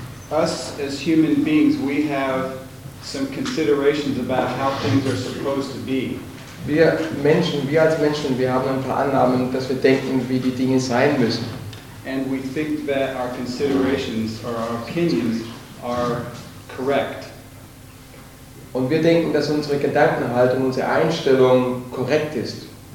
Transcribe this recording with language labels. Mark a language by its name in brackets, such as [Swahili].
[English] Us as human beings, we have some considerations about how things are supposed to be. [German] Wir als Menschen, wir haben ein paar Annahmen, dass wir denken, wie die Dinge sein müssen. [English] And we think that our considerations or our opinions are correct. [German] Und wir denken, dass unsere Gedankenhaltung, unsere Einstellung korrekt ist.